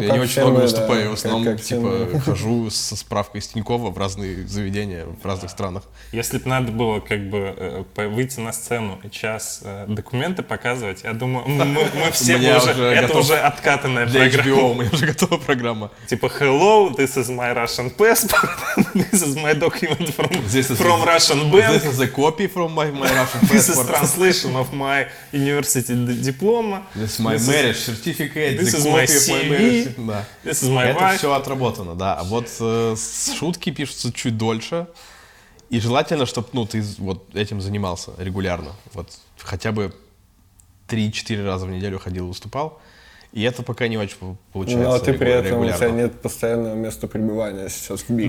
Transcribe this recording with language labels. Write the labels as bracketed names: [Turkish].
[Russian] я не очень много выступаю, да. В основном хожу со справкой из Тинькова в разные заведения в разных странах. Если бы надо было как бы выйти на сцену и час документы показывать, я думаю, мы все бы уже... Это готов... уже откатанная для программа. Для HBO у меня уже готова программа. [English] Типа, hello, this is my Russian passport, this is my document from Russian bank. This is a copy from my Russian passport. This is translation of my university diploma. This is my marriage certificate. This is my CV. [Russian] Это все отработано, да. А вот шутки пишутся чуть дольше. И желательно, чтобы ну, ты вот этим занимался регулярно. Вот хотя бы 3-4 раза в неделю ходил и выступал. И это пока не очень получается. Но ты при этом, у тебя нет постоянного места пребывания сейчас в Бике.